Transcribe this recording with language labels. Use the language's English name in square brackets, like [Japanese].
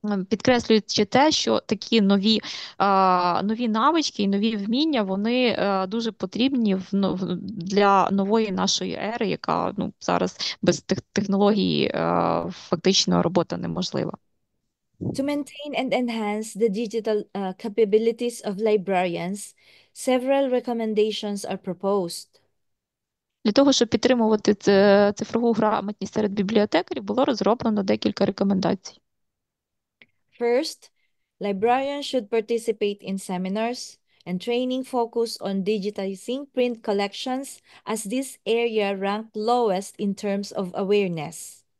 [Ukrainian] підкреслюючи те, що такі нові навички і нові вміння, вони дуже потрібні для нової нашої ери, яка зараз без технологій фактично робота неможлива. [English] To maintain and enhance the digital capabilities of librarians, several recommendations are proposed. [Ukrainian] Для того, щоб підтримувати цифрову грамотність серед бібліотекарів, було розроблено декілька рекомендацій. [English] First, librarians should participate in seminars and training focused on digitizing print collections, as this area ranked lowest in terms of awareness.